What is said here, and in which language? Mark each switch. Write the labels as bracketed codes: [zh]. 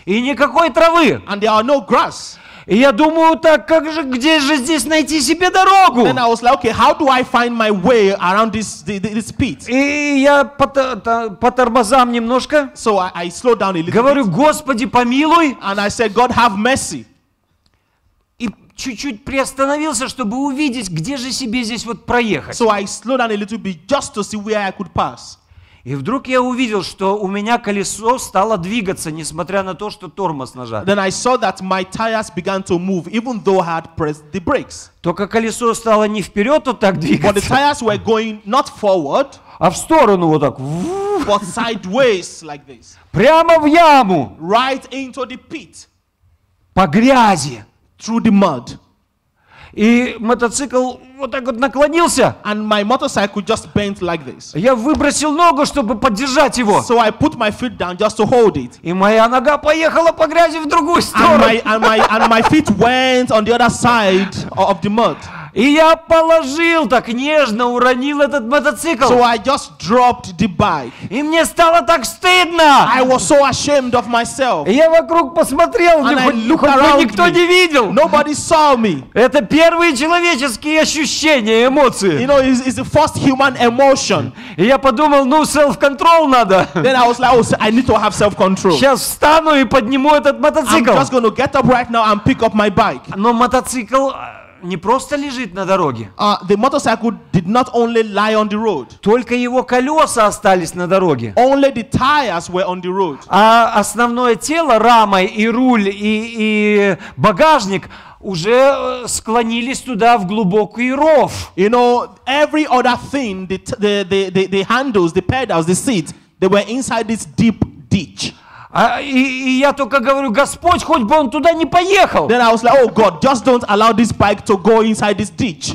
[ru] И никакой травы. [en] And there are no grass. [ru] И я думаю, так как же, где же здесь найти себе дорогу? [en] Then I was like, okay, how do I find my way around this pit? [ru] И я по тормозам немножко. [en] So I slowed down a little. [ru] Говорю, Господи, помилуй. [en] And I said, God, have mercy. [ru] Чуть-чуть приостановился, чтобы увидеть, где же себе здесь вот проехать. [en] So I slowed down a little bit just to see where I could pass. [ru] И вдруг я увидел, что у меня колесо стало двигаться, несмотря на то, что тормоз нажат. [en] Then I saw that my tires began to move, even though I had pressed the brakes. [ru] Только колесо стало не вперед вот так двигаться. [en] But the tires were going not forward. [ru] А в сторону вот так. [en] But sideways like this. [ru] Прямо в яму. [en] Right into the pit. [ru] По грязи. [en] Through the mud. [ru] И мотоцикл вот так вот наклонился. [en] And my motorcycle just bent like this. [ru] Я выбросил ногу, чтобы поддержать его. [en] So I put my foot down just to hold it. [ru] И моя нога поехала по грязи в другую сторону. [en] And my feet went on the other side of the mud. [ru] И я положил, так нежно уронил этот мотоцикл. [en] So I just dropped the bike. [ru] И мне стало так стыдно. [en] I was so ashamed of myself. [ru] И я вокруг посмотрел, никто не видел. [en] Nobody saw me. [ru] Это первые человеческие ощущения, эмоции. [en] You know, it's the first human emotion. [ru] И я подумал, ну, self-control надо. [en] Then I was like, oh, I need to have self-control. [ru] Сейчас встану и подниму этот мотоцикл. [en] I'm just going to get up right now and pick up my bike. [ru] Но мотоцикл не просто лежит на дороге. [en] The motorcycle did not only lie on the road. [ru] Только его колеса остались на дороге. [en] Only the tires were on the road. [ru] А основное тело, рама и руль и багажник уже склонились туда в глубокий ров. [en] You know, every other thing, the handles, the pedals, the seats, they were inside this deep ditch. [ru] И я только говорю, Господь, хоть бы он туда не поехал. [en] Then I was like, oh God, just don't allow this bike to go inside this ditch.